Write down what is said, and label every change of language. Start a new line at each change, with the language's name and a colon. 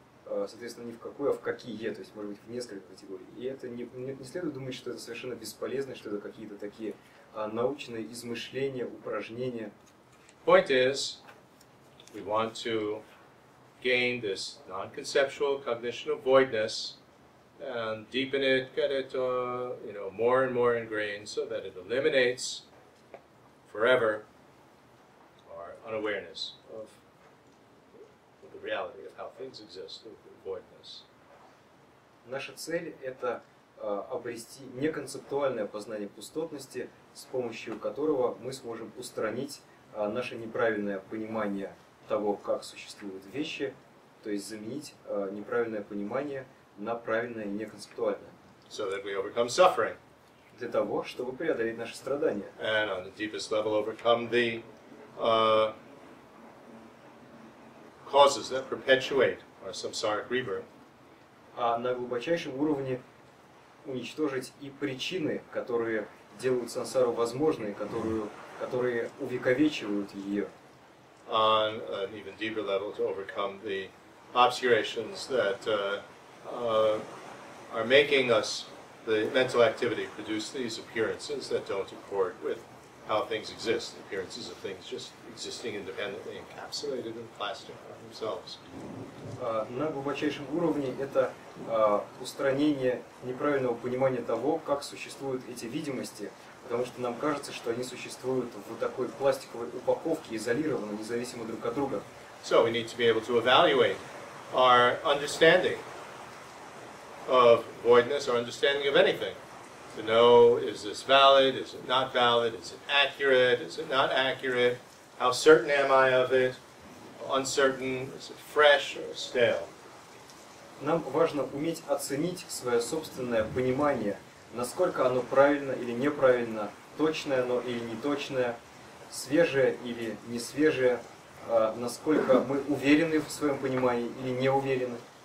Russian: Соответственно, не в какую, а в какие, то есть, может быть, в несколько категорий. И это не следует думать, что это совершенно бесполезно, что это какие-то такие научные измышления, упражнения.
English: Point is, we want to gain this non-conceptual cognition of voidness and deepen it, get it, you know, more and more ingrained so that it eliminates forever our unawareness of the reality of how things exist, of the voidness.
Russian: Наша цель — это обрести неконцептуальное познание пустотности, с помощью которого мы сможем устранить наше неправильное понимание того, как существуют вещи, то есть заменить неправильное понимание на правильное и неконцептуальное.
English: So that we overcome suffering.
Russian: Для того, чтобы преодолеть наши страдания.
English: And on the deepest level overcome the causes that perpetuate our samsaric rebirth.
Russian: А на глубочайшем уровне уничтожить и причины, которые делают сансару возможной, которые увековечивают ее.
English: On an even deeper level to overcome the obscurations that are making us the mental activity produces these appearances that don't accord with how things exist, appearances of things just existing independently, encapsulated in plastic by themselves.
Russian: На глубочайшем уровне это устранение неправильного понимания того, как существуют эти видимости, потому что нам кажется, что они существуют в такой пластиковой упаковке, изолированно, независимо друг от друга.
English: So we need to be able to evaluate our understanding of voidness or understanding of anything. To know, is this valid, is it not valid, is it accurate, is it not accurate, how certain am I of it, uncertain, is it fresh or stale.
Russian: Нам важно уметь оценить свое собственное понимание, насколько оно правильно или неправильно, точное оно или неточное, свежее или несвежее, насколько мы уверены в своем понимании или не уверены.